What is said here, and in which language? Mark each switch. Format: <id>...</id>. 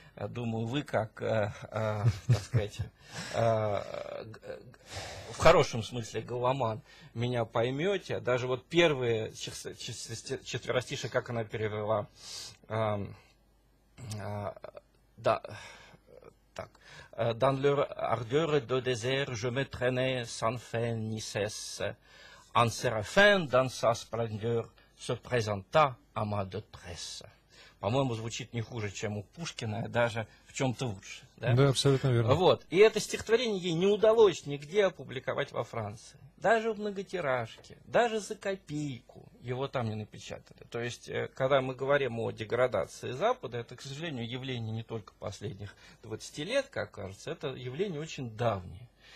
<ru>Думаю, вы как, так сказать, в хорошем смысле голоман, меня поймете. Даже вот первые четверостиши, как она перевела, да, так.</ru> <fr>«Dans leur ardeur de désert, je me traînais sans fin ni cesse. En séraphin, dans sa splendeur, se présenta à ma détresse».</fr> <ru>По-моему, звучит не хуже, чем у Пушкина, даже в чем-то лучше. Да? Да, абсолютно верно. Вот. И это стихотворение ей не удалось нигде опубликовать во Франции. Даже в многотиражке, даже за копейку. его там не напечатали. То есть, когда мы говорим о деградации Запада, это, к сожалению, явление не только последних 20 лет, как кажется, это явление очень давнее.</ru>